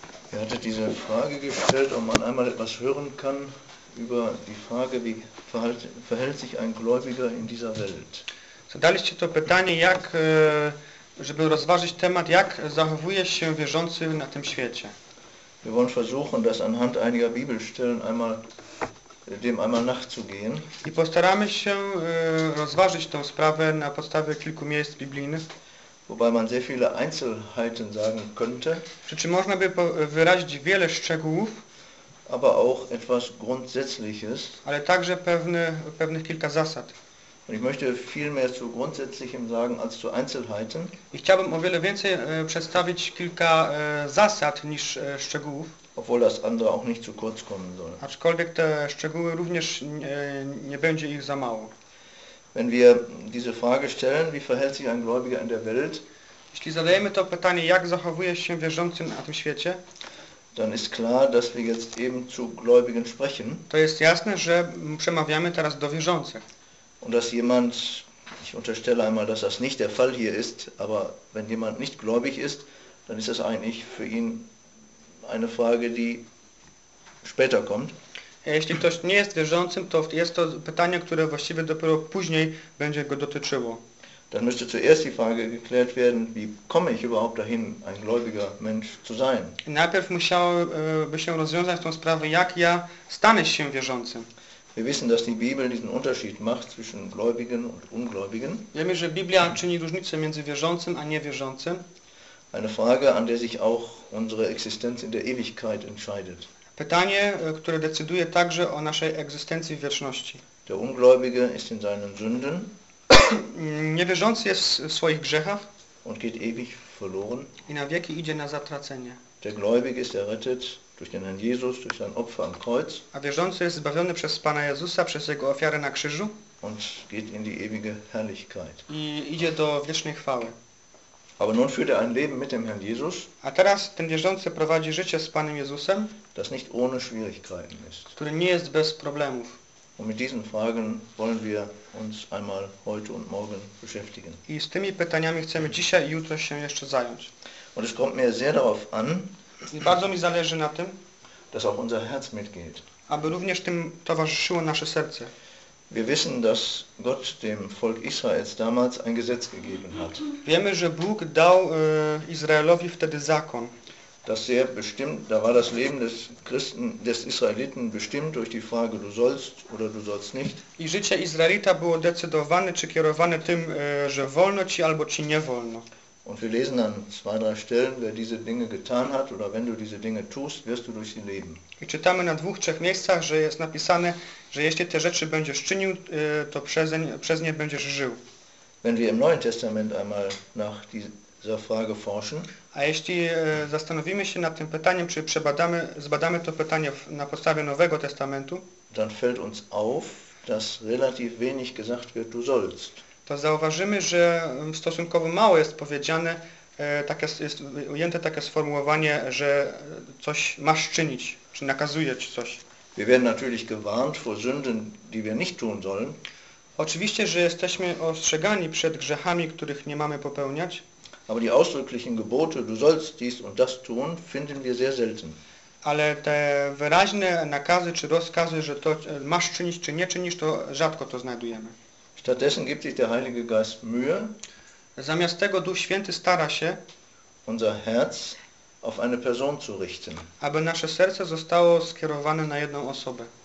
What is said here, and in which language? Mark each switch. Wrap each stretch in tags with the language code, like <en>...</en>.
<de>Er hatte diese Frage gestellt, ob man einmal etwas hören kann über die Frage, wie verhält sich ein Gläubiger in dieser Welt.</de> <pl>Zadaliście to pytanie, jak, żeby rozważyć temat, jak zachowuje się wierzący na tym świecie.</pl> <de>Wir wollen versuchen, das anhand einiger Bibelstellen einmal dem einmal nachzugehen.</de> <pl>I postaramy się rozważyć tę sprawę na podstawie kilku miejsc biblijnych.</pl> <de>Wobei man sehr viele Einzelheiten sagen könnte,</de> <pl>czy można by wyrazić wiele szczegółów,</pl> <de>aber auch etwas Grundsätzliches.</de> <pl>Ale także pewnych kilka zasad.</pl> <de>Und ich möchte viel mehr zu Grundsätzlichem sagen als zu Einzelheiten.</de> <pl>I chciałbym o wiele więcej przedstawić kilka zasad niż szczegółów.</pl> <de>Obwohl das andere auch nicht zu kurz kommen soll.</de> <pl>Aczkolwiek te szczegóły również nie będzie ich za mało.</pl> <de>Wenn wir diese Frage stellen, wie verhält sich ein Gläubiger in der Welt?</de> <pl>Jeśli zadajemy to pytanie, jak zachowuje się wierzący na tym świecie?</pl> <de>Dann ist klar, dass wir jetzt eben zu Gläubigen sprechen.</de> <pl>To jest jasne, że przemawiamy teraz do wierzących.</pl> <de>Und dass jemand, ich unterstelle einmal, dass das nicht der Fall hier ist, aber wenn jemand nicht gläubig ist, dann ist das eigentlich für ihn eine Frage, die später kommt.</de> <pl>Jeśli ktoś nie jest wierzącym, to jest to pytanie, które właściwie dopiero później będzie go dotyczyło.</pl> <de>Dann müsste zuerst die Frage geklärt werden, wie komme ich überhaupt dahin, ein gläubiger Mensch zu sein.</de> <pl>Najpierw musiałoby się rozwiązać tą sprawę, jak ja stanę się wierzącym.</pl> <de>Wir wissen, dass die Bibel diesen Unterschied macht zwischen Gläubigen und Ungläubigen.</de> <pl>Wiemy, że Biblia czyni różnicę między wierzącym a niewierzącym.</pl> <de>Eine Frage, an der sich auch unsere Existenz in der Ewigkeit entscheidet.</de> <pl>Pytanie, które decyduje także o naszej egzystencji w wieczności.</pl> <de>Der Ungläubige ist in seinen Sünden.</de> <pl>Niewierzący jest w swoich grzechach.</pl> <de>Und geht ewig verloren.</de> <pl>I na wieki idzie na zatracenie.</pl> <de>Der Gläubige ist errettet durch den Herrn Jesus, durch sein Opfer am Kreuz.</de> <pl>A wierzący jest zbawiony przez Pana Jezusa, przez Jego ofiarę na krzyżu.</pl> <de>Und geht in die ewige Herrlichkeit.</de> <pl>I idzie do wiecznej chwały.</pl> <de>Aber nun führt ein Leben mit dem Herrn Jesus,</de> <pl>a teraz ten wierzący prowadzi życie z Panem Jezusem,</pl> <de>das nicht ohne Schwierigkeiten ist.</de> <pl>Który nie jest bez problemów.</pl> <de>Und mit diesen Fragen wollen wir uns einmal heute und morgen beschäftigen.</de> <pl>I z tymi pytaniami chcemy dzisiaj i jutro się jeszcze zająć.</pl> <de>Und es kommt mir sehr darauf an,</de> <pl>i bardzo mi zależy na tym,</pl> <de>dass auch unser Herz mitgeht.</de> <pl>Aby również tym towarzyszyło nasze serce.</pl> <de>Wir wissen, dass Gott dem Volk Israels damals ein Gesetz gegeben hat.</de> <pl>Wiemy, że Bóg dał Izraelowi wtedy zakon.</pl> <de>Das sehr bestimmt, da war das Leben des Christen, des Israeliten bestimmt durch die Frage, du sollst oder du sollst nicht.</de> <pl>I życie Izraelita było decydowane czy kierowane tym, że wolno ci albo ci nie wolno.</pl> <de>Und wir lesen an zwei, drei Stellen, wer diese Dinge getan hat oder wenn du diese Dinge tust, wirst du durch sie leben.</de> <pl>I czytamy na dwóch, trzech miejscach, że jest napisane, że jeśli te rzeczy będziesz czynił, to przez nie będziesz żył.</pl> <de>Wenn wir im Neuen Testament einmal nach dieser Frage forschen,</de> <pl>a jeśli zastanowimy się nad tym pytaniem, czy przebadamy, zbadamy to pytanie na podstawie Nowego Testamentu,</pl> <de>dann fällt uns auf, dass relativ wenig gesagt wird, du sollst.</de> <pl>To zauważymy, że stosunkowo mało jest powiedziane, jest ujęte takie sformułowanie, że coś masz czynić, czy nakazuje ci coś.</pl> <de>Wir werden natürlich gewarnt vor Sünden, die wir nicht tun sollen.</de> <pl>Oczywiście, że jesteśmy ostrzegani przed grzechami, których nie mamy popełniać.</pl> <de>Aber die ausdrücklichen Gebote, du sollst dies und das tun, finden wir sehr selten.</de> <pl>Ale te wyraźne nakazy czy rozkazy, że to masz czynić czy nie czynisz, to rzadko to znajdujemy.</pl> <de>Stattdessen gibt sich der Heilige Geist Mühe,</de> <pl>zamiast tego Duch Święty stara się,</pl> <de>unser Herz auf eine Person zu richten.</de> <pl>Aby nasze serce zostało skierowane na jedną osobę.</pl>